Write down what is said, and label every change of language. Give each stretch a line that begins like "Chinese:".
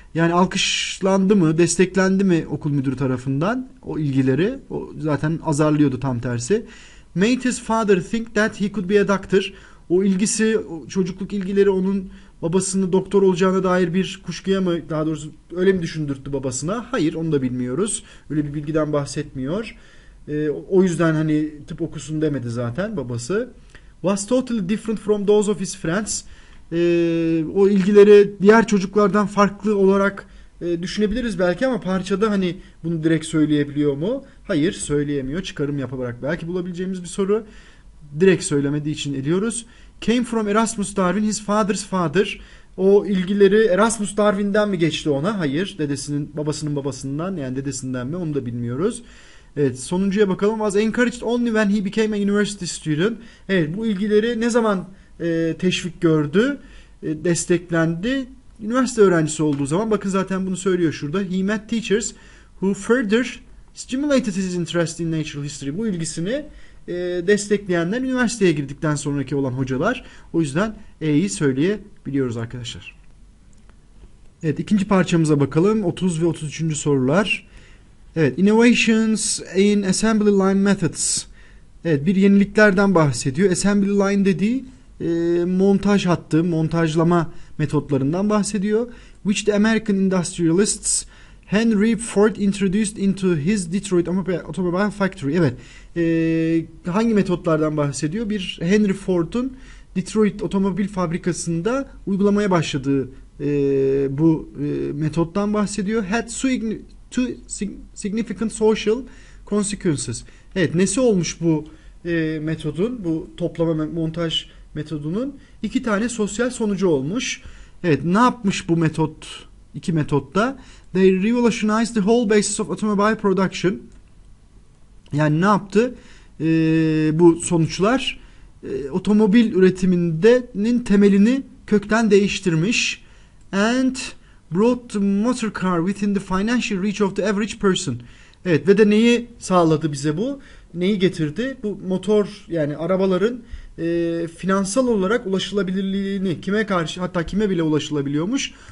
Turkish: Yani alkışlandı mı, desteklendi mi okul müdürü tarafından o ilgileri? O zaten azarlıyordu tam tersi.
English: Made his father think that he could be a doctor.
Turkish: O ilgisi, o çocukluk ilgileri onun babasını doktor olacağına dair bir kuşkuya mı, daha doğrusu öyle mi düşündürttü babasına? Hayır, onu da bilmiyoruz. Öyle bir bilgiden bahsetmiyor. O yüzden hani tıp okusun demedi zaten babası.
English: Was totally different from those of his friends.
Turkish: O ilgileri diğer çocuklardan farklı olarak düşünebiliriz belki, ama parçada hani bunu direkt söyleyebiliyor mu? Hayır, söyleyemiyor. Çıkarım yaparak belki bulabileceğimiz bir soru. Direkt söylemediği için eliyoruz.
English: Came from Erasmus Darwin, his father's father.
Turkish: O ilgileri Erasmus Darwin'den mi geçti ona? Hayır, dedesinin, babasının babasından, yani dedesinden mi, onu da bilmiyoruz. Evet, sonuncuya bakalım.
English: Was encouraged only when he became a university student.
Turkish: Evet, bu ilgileri ne zaman teşvik gördü, desteklendi? Üniversite öğrencisi olduğu zaman. Bakın zaten bunu söylüyor şurada.
English: He met teachers who further stimulated his interest in natural history.
Turkish: Bu ilgisini destekleyenler üniversiteye girdikten sonraki olan hocalar. O yüzden E'yi söyleyebiliyoruz arkadaşlar. Evet, ikinci parçamıza bakalım. 30 ve 33. sorular.
English: Evet, innovations in assembly line methods.
Turkish: Evet, bir yeniliklerden bahsediyor. Assembly line dediği montaj hattı, montajlama metotlarından bahsediyor.
English: Which the American industrialists Henry Ford introduced into his Detroit automobile factory.
Turkish: Evet, hangi metotlardan bahsediyor? Bir Henry Ford'un Detroit otomobil fabrikasında uygulamaya başladığı bu metottan bahsediyor.
English: Two significant social consequences.
Turkish: Evet, nesi olmuş bu metodun, bu toplama montaj metodunun? İki tane sosyal sonucu olmuş. Evet, ne yapmış bu metot, iki metotta?
English: They revolutionized the whole basis of automobile production.
Turkish: Yani ne yaptı bu sonuçlar? Otomobil üretiminin temelini kökten değiştirmiş.
English: Brought the motor car within the financial reach of the average person.
Turkish: Evet, ve de neyi sağladı bize bu? Neyi getirdi? Bu motor, yani arabaların finansal olarak ulaşılabilirliğini, kime karşı, hatta kime bile ulaşılabiliyormuş?